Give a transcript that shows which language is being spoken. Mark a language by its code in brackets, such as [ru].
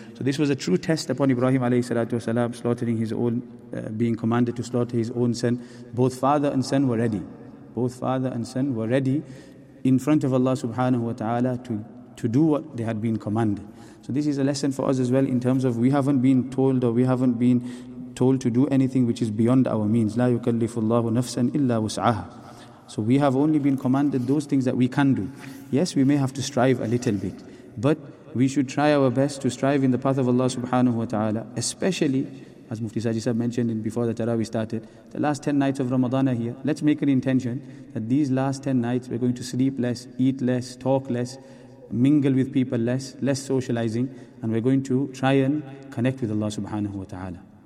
[en] So this was a true test upon Ibrahim alayhi salatu wasalam, slaughtering his own, being commanded to slaughter his own son. Both father and son were ready. Both father and son were ready in front of Allah subhanahu wa ta'ala to do what they had been commanded. So this is a lesson for us as well, in terms of we haven't been told, or we haven't been told to do anything which is beyond our means. [ar] لا يكلف الله نفسا إلا وسعها. [en] So we have only been commanded those things that we can do. Yes, we may have to strive a little bit, but we should try our best to strive in the path of Allah subhanahu wa ta'ala, especially as Mufti Saji Sahib mentioned in before the Tarawih started, the last 10 nights of Ramadan are here. Let's make an intention that these last 10 nights we're going to sleep less, eat less, talk less, mingle with people less, less socializing, and we're going to try and connect with Allah subhanahu wa ta'ala.